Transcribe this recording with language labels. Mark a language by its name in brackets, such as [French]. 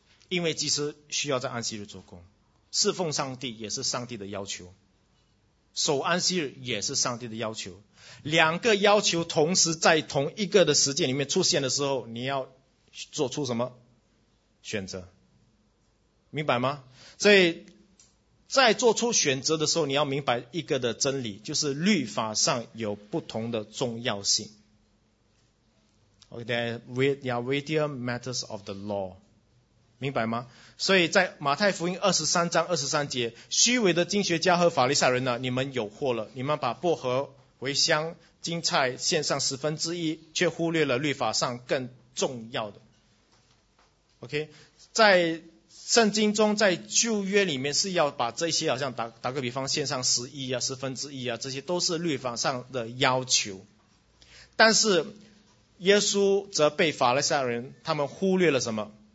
[Chinese] 因为祭司需要在安息日做工，侍奉上帝也是上帝的要求，守安息日也是上帝的要求，两个要求同时在同一个的时间里面出现的时候，你要做出什么选择，明白吗？所以在做出选择的时候，你要明白一个的真理，就是律法上有不同的重要性。 [English] Okay, there are weightier matters of the law, [Chinese] 明白吗？所以在马太福音23章23节，虚伪的经学家和法利赛人呢，你们有祸了，你们把薄荷茴香金菜献上十分之一，却忽略了律法上更重要的。 OK, 在圣经中，在旧约里面是要把这些好像打个比方献上十一啊十分之一啊，这些都是律法上的要求，但是耶稣则被法利赛人他们忽略了什么？